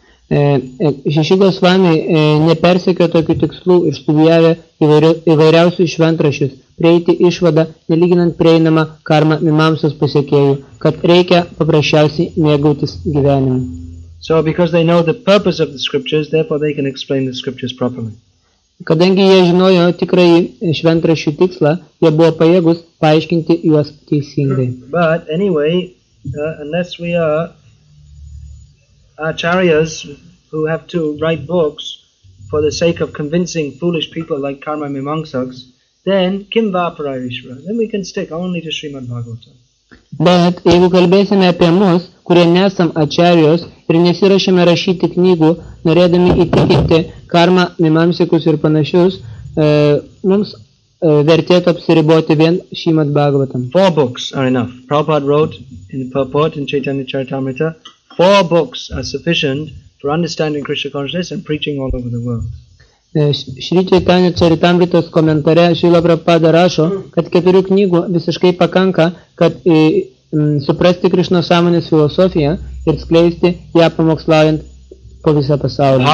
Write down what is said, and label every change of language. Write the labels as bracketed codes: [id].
[lt] Šeši Goswami nepersekė tokių tikslų ir studijavę įvairiausius šventrašius, prieiti išvadą, nelyginant prieinamą karmą mimamsos pasiekėjų, kad reikia paprasčiausiai mėgautis gyvenimu. [en] So because they know the purpose of the scriptures, therefore they can explain the scriptures properly. [lt] Kadangi jie žinojo tikrai šventrašių tikslą, jie buvo pajėgus paaiškinti juos teisingai. [en] But anyway, unless we are acharyas who have to write books for the sake of convincing foolish people like Karma Mimamsaks, then [sa] kim va parai vishvara? [en] Then we can stick only to Srimad Bhagavatam. [lt] Bet jeigu kalbėsime apie mus, kurie nesam acharyos ir nesiruošėme rašyti knygų, norėdami įtikinti karmą, mimamsikus ir panašius, mums vertėtų apsiriboti vien Srimad Bhagavatam. [en] Four books are enough. Prabhupada wrote in the purport in Chaitanya Charitamrita, four books are sufficient for understanding Krishna consciousness and preaching all over the world. [lt] Šri Čaitanya Čaritamritos komentare Šrila Prabhupada rašo, kad keturių knygų visiškai pakanka, kad suprasti Krišno sąmonės filosofiją ir skleisti ją pamokslaujant po visą pasaulį.